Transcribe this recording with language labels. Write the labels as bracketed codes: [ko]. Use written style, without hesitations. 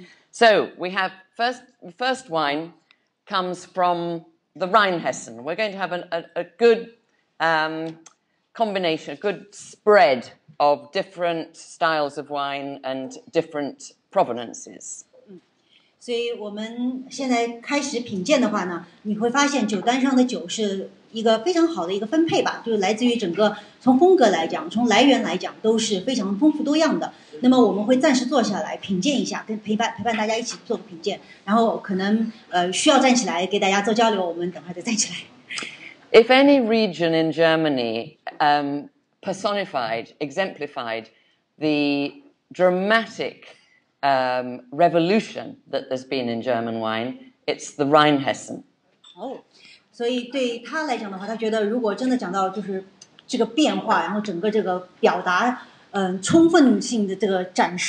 [en] So we have first wine comes from the Rheinhessen. We're going to have a good combination, a good spread of different styles of wine and different provenances. [zh] 所以我们现在开始品鉴的话呢，你会发现酒单上的酒是一个非常好的一个分配吧，就是来自于整个从风格来讲，从来源来讲都是非常丰富多样的。那么我们会暂时坐下来品鉴一下，跟陪伴大家一起做个品鉴，然后可能需要站起来给大家做交流，我们等会再站起来。 [en] If any region in Germany exemplified the dramatic revolution that there's been in German wine, it's the Rheinhessen. Oh, so for him, he thinks that if we really talk about this change, and the whole expression,